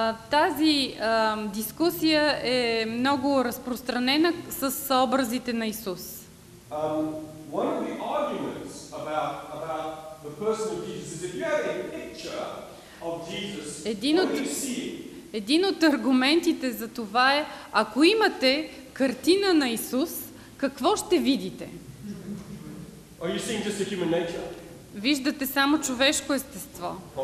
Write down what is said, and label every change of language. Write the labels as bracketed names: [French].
[Bulgarian] Тази дискусия е много разпространена с образите на Исус. [English] One of the arguments about the person of Jesus is if you have a picture of Jesus, what do you see? [Bulgarian] Един от аргументите за това е, ако имате картина на Исус, какво ще видите? [English] Are you seeing just a human nature? [Bulgarian] Виждате само човешко естество.